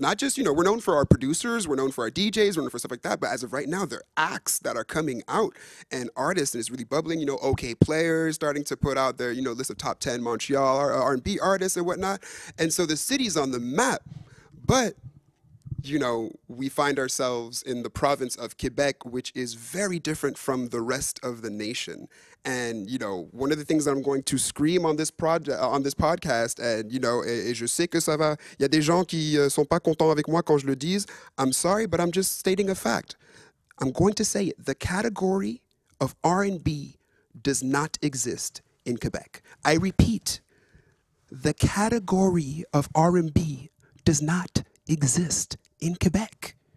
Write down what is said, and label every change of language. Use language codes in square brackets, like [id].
[en] Not just, we're known for our producers, we're known for our DJs, we're known for stuff like that, but as of right now, they're acts that are coming out and artists, and it's really bubbling. OK Players starting to put out their, list of top 10 Montreal R&B artists and whatnot. And so the city's on the map, but, we find ourselves in the province of Quebec, which is very different from the rest of the nation. And, one of the things that I'm going to scream on this podcast, and, [fr] et je sais que ça va, il y a des gens qui sont pas contents avec moi quand je le dis. [en] I'm sorry, but I'm just stating a fact. I'm going to say it. The category of R&B does not exist in Quebec. I repeat, the category of R&B does not exist in Quebec.